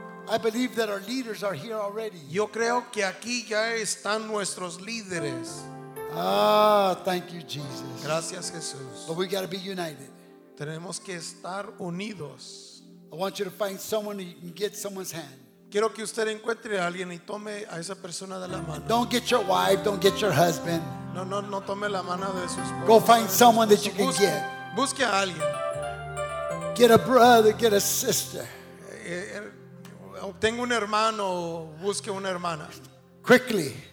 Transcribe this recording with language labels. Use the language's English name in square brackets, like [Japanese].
[English] I believe that our leaders are here already. [Spanish] Yo creo que aquí ya están nuestros líderes. [English] Ah, thank you, Jesus. [Spanish] Gracias, Jesús. [English] But we got to be united. [Spanish] Tenemos que estar unidos. [English] I want you to find someone and you can get someone's hand. [Spanish] Quiero que usted encuentre a alguien y tome a esa persona de la mano. [English] Don't get your wife, don't get your husband. [Spanish] No tome la mano de su esposa. [English] Go find someone that you can get. [Spanish] Busque a alguien. [English] Get a brother, get a sister. [Spanish] Obtenga un hermano, busque una hermana. [English] Quickly.